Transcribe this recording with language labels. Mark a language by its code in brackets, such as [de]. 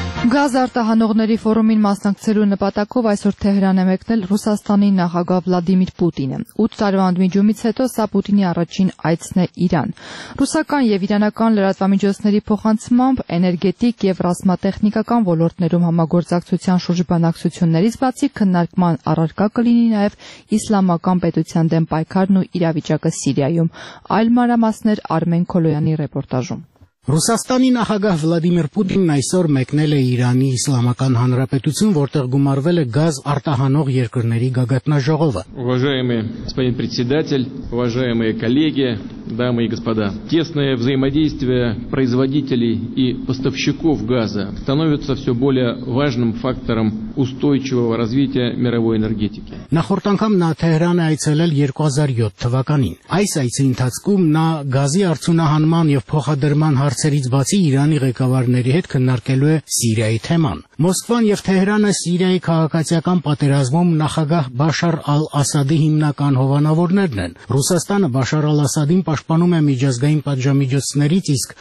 [hy] Գազ արտահանողների ֆորումին մասնակցելու նպատակով այսօր Թեհրան է մեկնել Ռուսաստանի նախագահ Վլադիմիր Պուտինը։ 8 տարվա ընդմիջումից հետո սա Պուտինի առաջին այցն է Իրան։ Ռուսական և իրանական լրատվամիջոցների փոխանցումամբ էներգետիկ և ռազմատեխնիկական ոլորտներում համագործակցության շուրջ բանակցություններից բացի քննարկման առարկա կլինի նաև իսլամական պետության դեմ պայքարն ու իրավիճակը Սիրիայում։ Այլ մանրամասներ Արմեն Քոլոյանի ռեպորտաժում։ Ռուսաստանի նախագահ Վլադիմիր Պուտինն այսօր մեկնել է Իրանի Իսլամական Հանրապետություն, որտեղ գումարվել է գազ արտահանող երկրների գագաթնաժողովը։ [ru] Уважаемый господин председатель, уважаемые коллеги, дамы и господа. Тесное взаимодействие производителей и поставщиков газа становится всё более важным фактором устойчивого развития мировой энергетики. [hy] Նախորդ անգամ նա Թեհրանը այցելել 2007 թվականին։ Այս այցի ընթացքում նա գազի արդյունահանման եւ փոխադրման հարցերից բացի Իրանի ղեկավարների հետ քննարկելու է Սիրիայի թեման։ Մոսկվան եւ Թեհրանը Սիրիայի քաղաքացիական պատերազմում նախագահ Բաշար Ալ-Ասադի հիմնական հովանավորներն են։ Ռուսաստանը Բաշար Ալ-Ասադին պաշտպանում է միջազգային պատժամիջոցներից, իսկ